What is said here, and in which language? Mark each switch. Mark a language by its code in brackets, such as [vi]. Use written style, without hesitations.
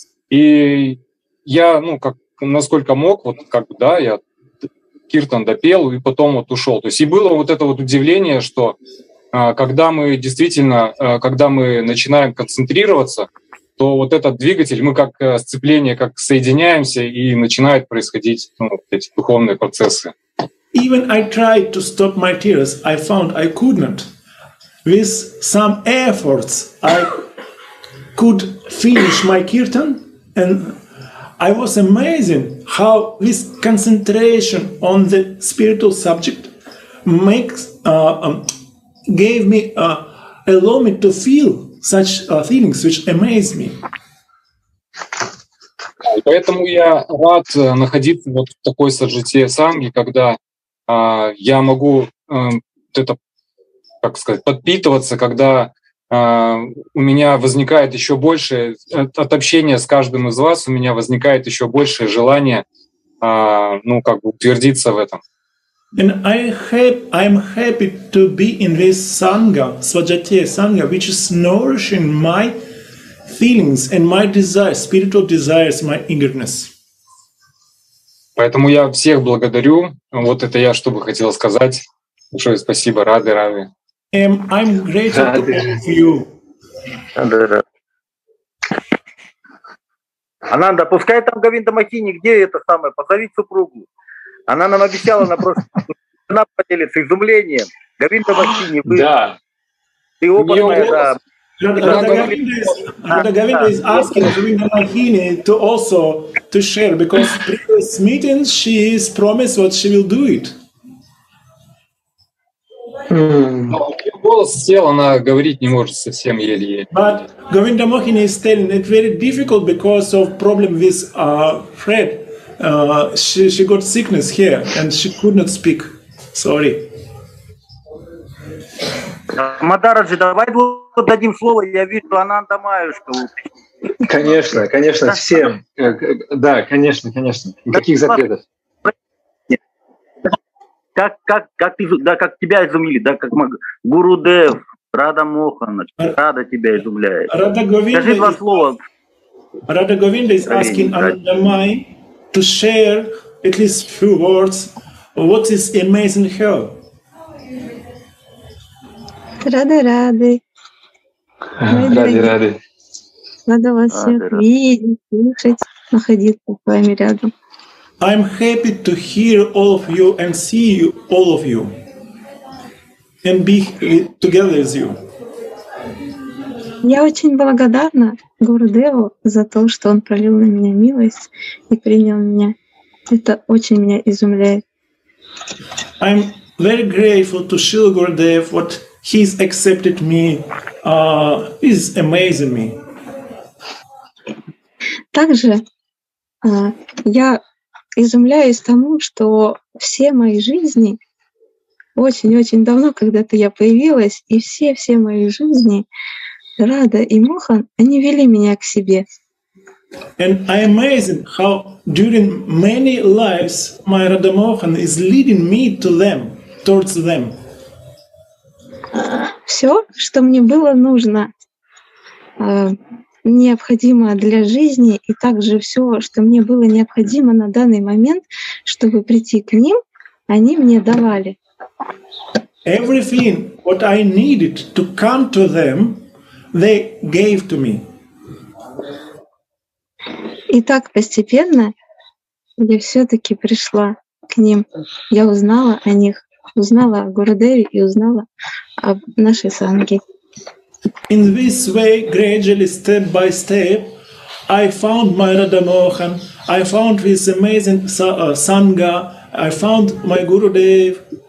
[ru] И я, ну, как, насколько мог, вот как бы, да, я киртан допел и потом вот ушел. То есть и было вот это вот удивление, что когда мы действительно, когда мы начинаем концентрироваться, то вот этот двигатель, мы как сцепление, как соединяемся, и начинают происходить, ну, эти духовные процессы. [en] Even I tried to stop my tears, I found I could not. With some efforts, I could finish my kirtan, and I was amazing how this concentration on the spiritual subject makes gave me allow me to feel such feelings, which amazed me. [ru] Поэтому я рад находиться вот в такой саджите санги, когда я могу это, как сказать, подпитываться, когда у меня возникает еще больше от общения с каждым из вас, у меня возникает еще большее желание, ну, как бы утвердиться в этом. [en] And I'm happy to be in this sangha, svajatiya sangha, which is nourishing my feelings and my desires, spiritual desires, my eagerness. [ru] Поэтому я всех благодарю. Вот это я, чтобы хотел сказать. Большое спасибо, рады, рады. [en] I'm grateful to all of you. [ru] Ананда, пускай там Говинда Махини, где это самое, позови супругу. Она нам обещала, она просто она поделится изумлением. Говинда Махини, вы... Да. Ты опытная, да. Да, [en] Говинда is asking Говинда Махини to also to share, because previous meetings she is promised what she will do it. [ru] Ее голос сел, она говорить не может совсем еле-еле. [en] But Govinda Mohini is telling it very difficult because of problem with Fred. She got sickness here and she could not speak. Sorry. [ru] Мадараджи, давай дадим слово, я вижу Ананда Маюшка. Конечно, конечно, всем. Да, конечно, конечно. Никаких запретов. Как ты, да, как тебя изумили, да, как Гуру Дев, Рада Мохана, Рада тебя изумляет. Рада Говинда, скажи два слова. [en] Рада Говинда is asking Ananda Mai to share at least few words what is amazing her. [ru] Рада, рады. Рады, рады. Рада вас всех видеть, слышать, находиться с вами рядом. [en] I'm happy to hear all of you and see you, all of you, and be together with you. [ru] Я очень благодарна Гурудеву за то, что он пролил на меня милость и принял меня. Это очень меня изумляет. [en] I'm very grateful to Srila Gurudev what he's accepted me. He's amazing me. [ru] Также я изумляюсь тому, что все мои жизни, очень-очень давно, когда-то я появилась, и все-все мои жизни, Рада и Мохан, они вели меня к себе. [en] And I amazing how during many lives my Radha Mohan is leading me to them, towards them. [ru] Все, что мне было нужно, необходимо для жизни, и также все, что мне было необходимо на данный момент, чтобы прийти к ним, они мне давали. [en] Everything what I needed to come to them, they gave to me. [ru] И так постепенно я все-таки пришла к ним. Я узнала о них, узнала о Гурудеве и узнала о нашей санге. [en] In this way, gradually, step by step, I found my Radha Mohan, I found this amazing Sangha, I found my Gurudev.